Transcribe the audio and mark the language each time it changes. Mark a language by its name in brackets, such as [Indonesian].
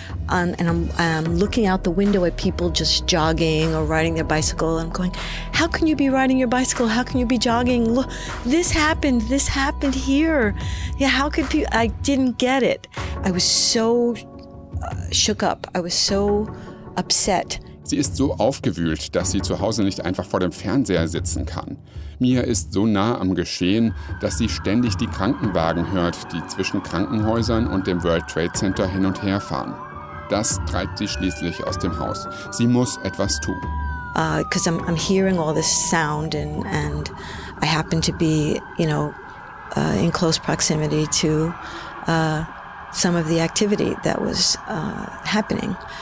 [English] And I'm looking out the window at people just jogging or riding their bicycle. I'm going, how can you be riding your bicycle? How can you be jogging? Look, this happened here. Yeah, how could people, I didn't get it. I was so shook up. I was so upset. [German] Sie ist so aufgewühlt, dass sie zu Hause nicht einfach vor dem Fernseher sitzen kann. Mia ist so nah am Geschehen, dass sie ständig die Krankenwagen hört, die zwischen Krankenhäusern und dem World Trade Center hin und her fahren. Das treibt sie schließlich aus dem Haus. Sie muss etwas tun. [English] Because I'm hearing all this sound and I happen to be, you know, in close proximity to some of the activity that was happening.